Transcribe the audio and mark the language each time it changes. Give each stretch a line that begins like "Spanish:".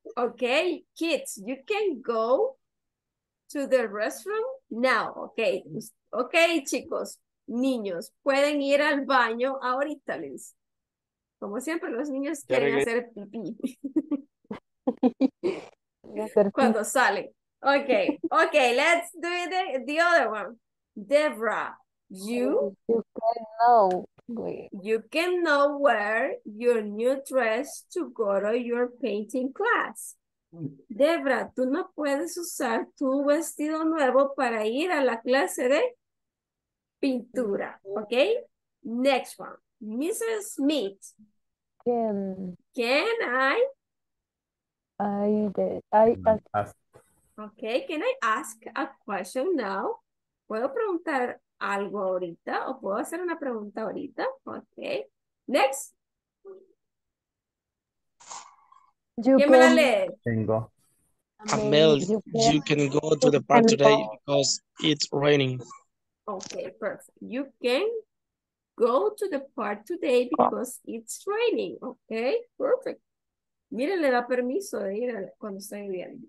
English: Okay, kids, you can go to the restroom now.
Spanish: Okay, okay, chicos, niños, pueden ir al baño ahorita, Liz. Como siempre, los niños quieren hacer pipí. Cuando salen.
English: Okay, okay, let's do the other one. Debra, you. You can know. You can now wear your new dress to go to your painting class.
Spanish: Debra, tú no puedes usar tu vestido nuevo para ir a la clase de pintura, okay?
English: Next one. Mrs. Smith. Can I? I ask. Okay, can I ask a question now?
Spanish: ¿Puedo preguntar algo ahorita? ¿O puedo hacer una pregunta ahorita? Ok. Next.
English: You
Spanish: ¿Quién me la lee? Tengo.
English: Amel, you can go to the park today because it's raining. Ok, perfect. You can go to the park today because it's raining. Ok, perfect.
Spanish: Miren, le da permiso de ir cuando está lloviendo.